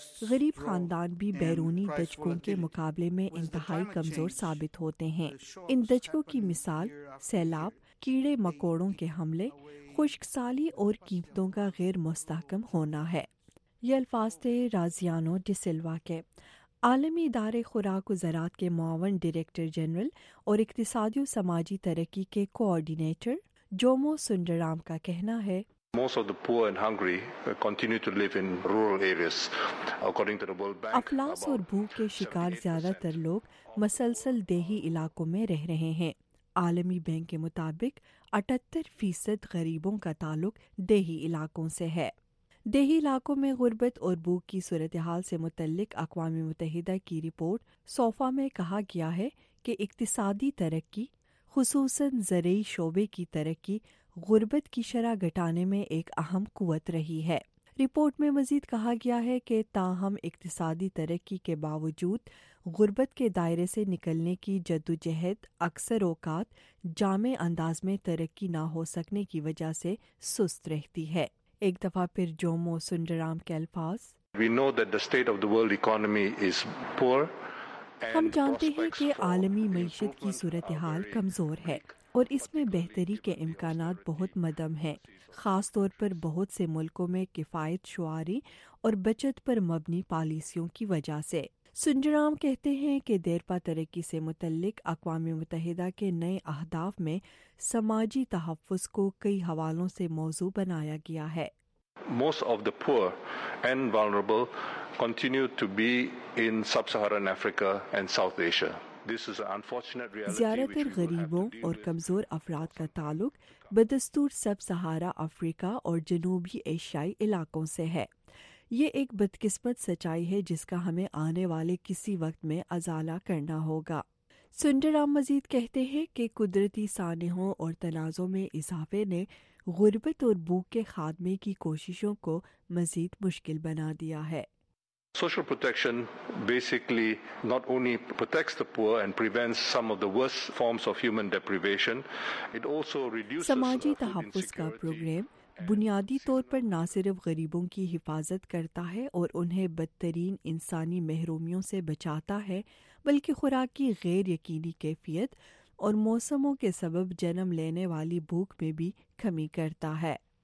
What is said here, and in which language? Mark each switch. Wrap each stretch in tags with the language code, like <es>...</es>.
<ur>غریب خاندان بھی بیرونی دھچکوں کے مقابلے میں انتہائی کمزور ثابت ہوتے ہیں۔ ان دھچکوں کی مثال سیلاب، کیڑے مکوڑوں کے حملے، خشک سالی اور قیمتوں کا غیر مستحکم ہونا ہے۔ یہ الفاظ تھے رازیانو ڈسلوا کے۔ عالمی ادارے خوراک و زراعت کے معاون ڈائریکٹر جنرل اور اقتصادی و سماجی ترقی کے کوآرڈینیٹر جومو سندرام کا کہنا ہے،</ur> <en>Most of the poor and hungry continue to live in rural areas. According to the World Bank,</en> <ur>افلاس اور بھوک کے شکار زیادہ تر لوگ مسلسل دیہی علاقوں میں رہ رہے ہیں۔ عالمی بینک کے مطابق 78% غریبوں کا تعلق دیہی علاقوں سے ہے۔ دیہی علاقوں میں غربت اور بھوک کی صورتحال سے متعلق اقوام متحدہ کی رپورٹ سوفا میں کہا گیا ہے کہ اقتصادی ترقی، خصوصاً زرعی شعبے کی ترقی، غربت کی شرح گھٹانے میں ایک اہم قوت رہی ہے۔ رپورٹ میں مزید کہا گیا ہے کہ تاہم اقتصادی ترقی کے باوجود غربت کے دائرے سے نکلنے کی جدوجہد اکثر اوقات جامع انداز میں ترقی نہ ہو سکنے کی وجہ سے سست رہتی ہے۔ ایک دفعہ پھر جومو سندرام کے الفاظ،</ur> <en>We know that the state of the world economy is poor.</en> <ur>ہم جانتے ہیں کہ عالمی معیشت کی صورتحال کمزور ہے اور اس میں بہتری کے امکانات بہت مدم ہیں، خاص طور پر بہت سے ملکوں میں کفایت شعاری اور بچت پر مبنی پالیسیوں کی وجہ سے۔ سندرام کہتے ہیں کہ دیرپا ترقی سے متعلق اقوام متحدہ کے نئے اہداف میں سماجی تحفظ کو کئی حوالوں سے موضوع بنایا گیا ہے۔</ur> <en>Most of the poor and vulnerable continue to be in sub-Saharan Africa and South Asia. This is an unfortunate reality.</en> <ur>زیادہ تر غریبوں اور کمزور افراد کا تعلق بدستور سب سہارا افریقہ اور جنوبی ایشیائی علاقوں سے ہے۔ یہ ایک بدقسمت سچائی ہے جس کا ہمیں آنے والے کسی وقت میں ازالہ کرنا ہوگا۔ سندرام مزید کہتے ہیں کہ قدرتی سانحوں اور تنازعوں میں اضافے نے غربت اور بھوک کے خاتمے کی کوششوں کو مزید مشکل بنا دیا ہے۔</ur> <en>Social protection basically not only protects the poor and prevents some of the worst forms of human deprivation, it also reduces</en> <ur>سماجی تحفظ کا پروگرام بنیادی طور پر نہ صرف غریبوں کی حفاظت کرتا ہے اور انہیں بدترین انسانی محرومیوں سے بچاتا ہے، بلکہ خوراک کی غیر یقینی کیفیت اور موسموں کے سبب جنم لینے والی بھوک میں بھی کمی کرتا ہے۔</ur>